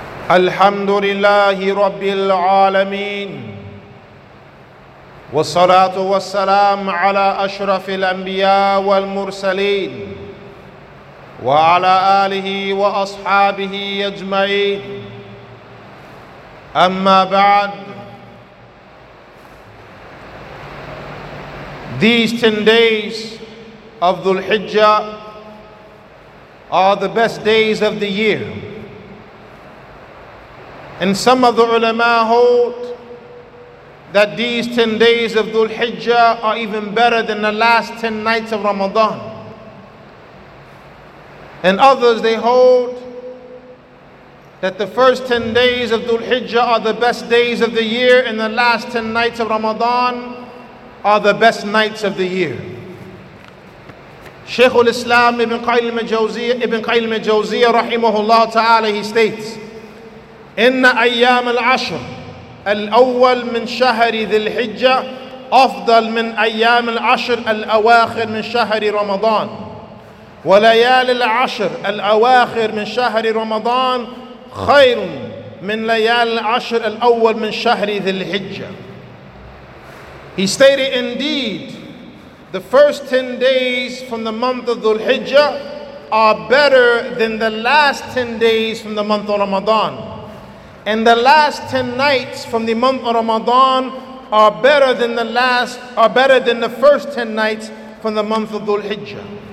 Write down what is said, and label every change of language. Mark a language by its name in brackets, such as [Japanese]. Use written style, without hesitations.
[Arabic] الحمد لله رب العالمين والصلاة والسلام على أشرف الأنبياء والمرسلين وعلى آله وأصحابه أجمعين أما بعد. [English] These 10 days of Dhul Hijjah are the best days of the year. And some of the ulama hold that these 10 days of Dhul Hijjah are even better than the last 10 nights of Ramadan. And others, they hold that the first 10 days of Dhul Hijjah are the best days of the year, and the last 10 nights of Ramadan are the best nights of the year. Shaykh al-Islam Ibn Qayyim al-Jawziyah rahimahullah ta'ala, he states, [Arabic] إن أيام العشر الأول من شهر ذي الحجة أفضل من أيام العشر الأواخر من شهر رمضان وليالي العشر الأواخر من شهر رمضان خير من ليالي العشر الأول من شهر ذي الحجة. [English] He stated, indeed, the first 10 days from the month of Dhul Hijjah are better than the last 10 days from the month of Ramadan. And the last 10 nights from the month of Ramadan are better than the first 10 nights from the month of Dhul Hijjah.